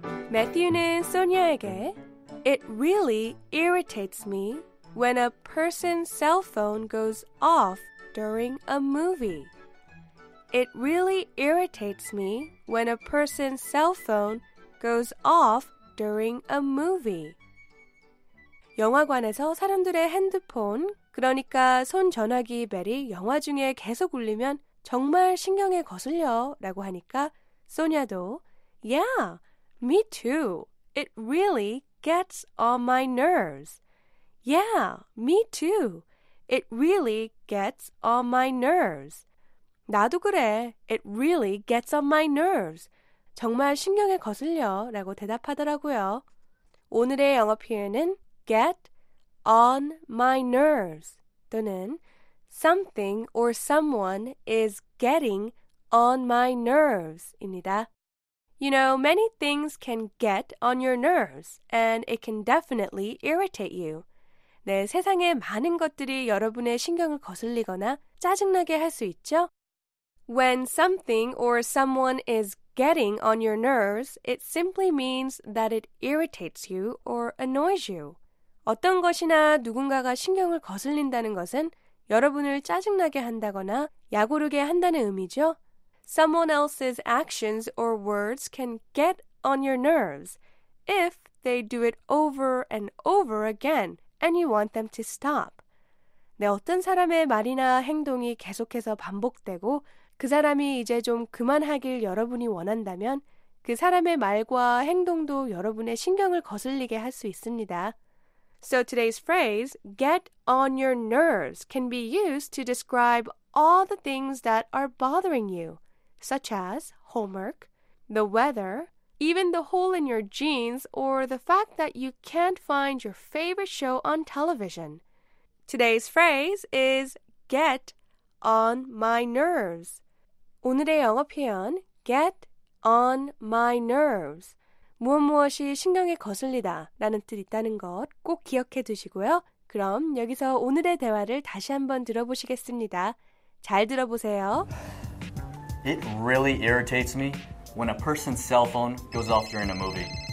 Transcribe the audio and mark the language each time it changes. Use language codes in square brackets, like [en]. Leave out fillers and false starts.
[ko] 매튜는 소니아에게 [en] It really irritates me when a person's cell phone goes off during a movie. It really irritates me when a person's cell phone goes off during a movie. [ko] 영화관에서 사람들의 핸드폰, 그러니까 손전화기 벨이 영화 중에 계속 울리면 정말 신경에 거슬려 라고 하니까 소니아도 [en] Yeah, me too. It really gets on my nerves. Yeah, me too. It really gets on my nerves. [ko] 나도 그래. [en] It really gets on my nerves. [ko] 정말 신경에 거슬려 라고 대답하더라고요. 오늘의 영어 표현은 [en] get on my nerves [ko] 또는 [en] something or someone is getting on my nerves [ko] 입니다. [en] You know, many things can get on your nerves and it can definitely irritate you. [ko] 네, 세상에 많은 것들이 여러분의 신경을 거슬리거나 짜증나게 할 수 있죠? [en] When something or someone is getting on your nerves, it simply means that it irritates you or annoys you. [ko] 어떤 것이나 누군가가 신경을 거슬린다는 것은 여러분을 짜증나게 한다거나 야구르게 한다는 의미죠. [en] Someone else's actions or words can get on your nerves if they do it over and over again. And you want them to stop. [ko] 네, 어떤 사람의 말이나 행동이 계속해서 반복되고 그 사람이 이제 좀 그만하길 여러분이 원한다면 그 사람의 말과 행동도 여러분의 신경을 거슬리게 할 수 있습니다. [en] So today's phrase, get on your nerves, can be used to describe all the things that are bothering you, such as homework, the weather, even the hole in your jeans or the fact that you can't find your favorite show on television. Today's phrase is get on my nerves. [ko] 오늘의 영어 표현, [en] get on my nerves. [ko] 무엇무엇이 신경에 거슬리다 라는 뜻 있다는 것 꼭 기억해 두시고요. 그럼 여기서 오늘의 대화를 다시 한번 들어보시겠습니다. 잘 들어보세요. [en] It really irritates me when a person's cell phone goes off during a movie.